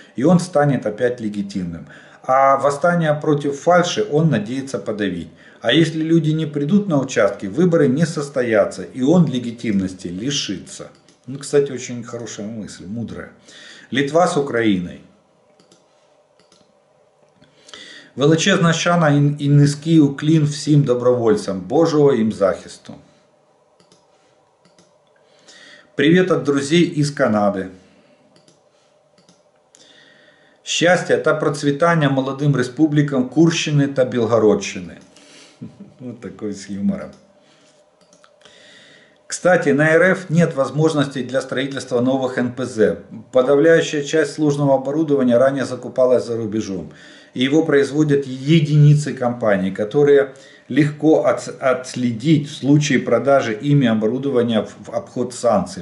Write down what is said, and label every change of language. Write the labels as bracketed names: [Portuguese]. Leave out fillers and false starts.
[Russian] И он станет опять легитимным. А восстание против фальши он надеется подавить. А если люди не придут на участки, выборы не состоятся и он легитимности лишится. Ну, кстати, очень хорошая мысль, мудрая. Литва с Украиной. [Ukrainian] Величезна шана і низький уклін всім добровольцям, Божого їм захисту. Привіт від друзів із Канади. Щастя та процвітання молодим республікам Курщини та Білгородщини. Ось такий з юмором. [Russian] Кстати, на РФ нет возможностей для строительства новых НПЗ. Подавляющая часть сложного оборудования ранее закупалась за рубежом. И его производят единицы компаний, которые легко отследить в случае продажи ими оборудования в обход санкций.